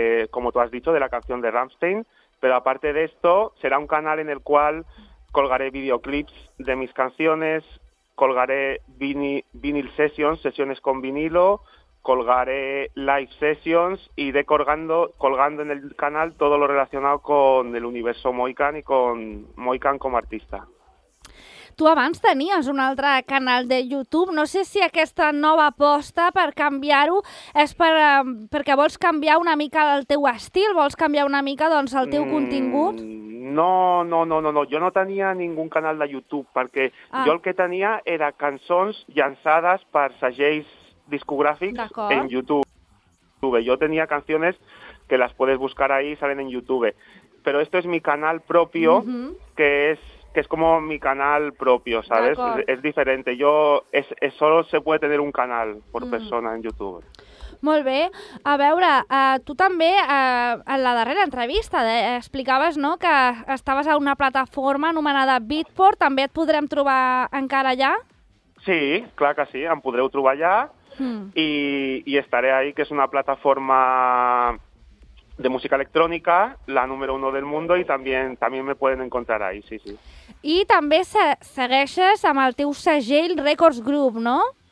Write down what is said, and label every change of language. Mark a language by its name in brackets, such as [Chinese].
[Spanish] Como tú has dicho, de la canción de Rammstein, pero aparte de esto, será un canal en el cual colgaré videoclips de mis canciones, colgaré vinyl sessions, sesiones con vinilo, colgaré live sessions, iré colgando en el canal todo lo relacionado con el universo Moikan y con Moikan como artista. [Catalan] Tu abans tenies un altre canal de YouTube. No sé si aquesta nova aposta per canviar-ho és perquè vols canviar una mica el teu estil, vols canviar una mica doncs, el teu contingut? No. Jo no tenia ningú canal de YouTube, perquè jo el que tenia era cançons llançades per segells discogràfics. D'acord. En YouTube. Jo tenia cançons que les podes buscar ahí i [Spanish] salen en YouTube. Però esto es mi canal propio, que es como mi canal propio, ¿sabes? D'acord. Es diferente. Es solo se puede tener un canal por persona en YouTube. [Catalan] Molt bé. A veure, tu també, en la darrera entrevista, explicaves, no?, que estaves a una plataforma anomenada Beatport. També et podrem trobar encara allà? Sí, clar que sí, em podreu trobar allà. I estaré ahí, que és una plataforma de música electrónica, [Spanish] la número uno del mundo, y también me pueden encontrar ahí, sí, sí. [Catalan] I també segueixes amb el teu segell Records Group, no?